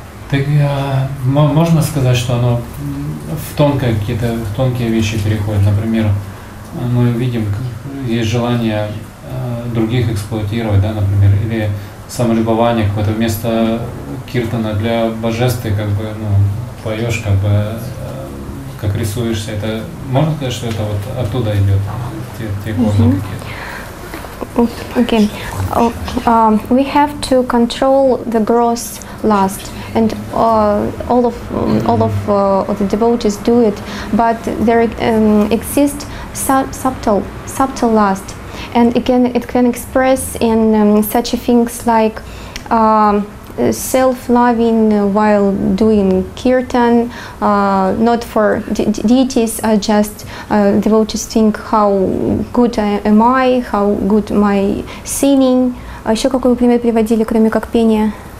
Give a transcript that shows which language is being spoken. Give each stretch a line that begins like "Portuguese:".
Russian: так, можно сказать, что оно в тонкое, какие-то в тонкие вещи переходит, например, мы видим, есть желание других эксплуатировать, да, например, или самолюбование какое-то вместо киртана для божеств, как бы, ну, поешь, как бы, как рисуешься, это можно сказать, что это вот оттуда идет, те корни какие-то.
English: Okay, we have to control the gross lust, and all of the devotees do it, but there exists subtle lust, and again it can express in such things like self-loving while doing kirtan, not for deities, just devotees think how good am I, how good my singing.
Russian: А еще какой пример приводили, кроме как пение?